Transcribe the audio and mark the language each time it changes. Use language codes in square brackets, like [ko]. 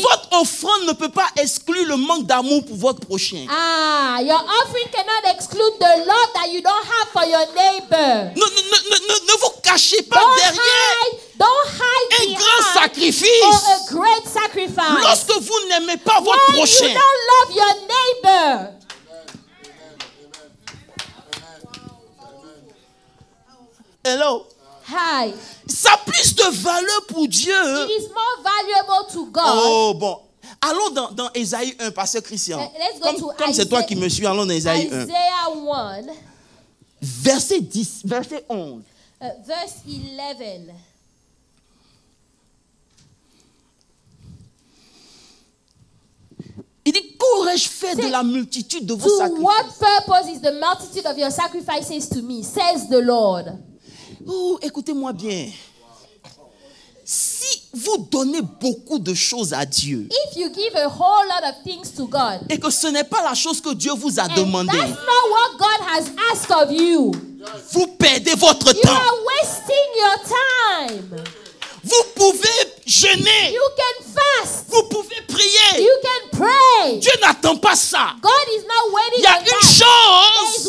[fr] Votre offrande ne peut pas exclure le manque d'amour pour votre prochain. [en] Ah, your offering cannot exclude the love that you don't have for your neighbor. [fr] Ne vous cachez pas [en] don't [fr] derrière. [en] Don't hide [fr] un grand sacrifice. [en] Or a great sacrifice. [fr] Lorsque vous n'aimez pas votre prochain. [en] You don't love your neighbor. Hello. Hi. [fr] Ça a plus de valeur pour Dieu. [en] It is more valuable to God. [fr] Oh bon. Allons dans Ésaïe 1, pasteur Christian. [en] Let's go [fr] comme [en] to [fr] comme c'est toi qui me suis, allons dans Ésaïe 1. [en] Isaiah 1. [fr] Verset 10, verset 11. [en] Verse 11. [fr] Il dit, qu'aurais-je fait de la multitude de vos sacrifices? [en] To what purpose is the multitude of your sacrifices to me? Says the Lord. [fr] Oh, écoutez-moi bien. Si vous donnez beaucoup de choses à Dieu, [en] if you give a whole lot of things to God, [fr] et que ce n'est pas la chose que Dieu vous a demandé, [en] and that's not what God has asked of you, [fr] vous perdez votre [en] you [fr] temps. [en] You are wasting your time. [fr] Vous pouvez jeûner. [en] You can fast. [fr] Vous pouvez prier. [en] You can pray. [fr] Dieu n'attend pas ça. [en] God is not waiting for that. [fr] Il y a une chose